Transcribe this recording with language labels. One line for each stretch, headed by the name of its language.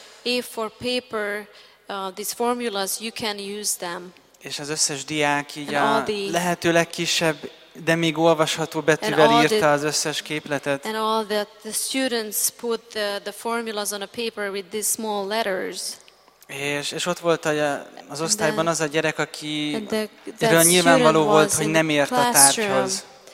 English: A4 paper, these formulas, you can use them.
Hungarian: És az összes diák így a lehető legkisebb, de még olvasható betűvel írta az összes képletet.
English: And all the students put the formulas on a paper with these small letters.
Hungarian: És ott volt az osztályban az a gyerek, aki erről nyilvánvaló volt, hogy nem ért a tárgyhoz.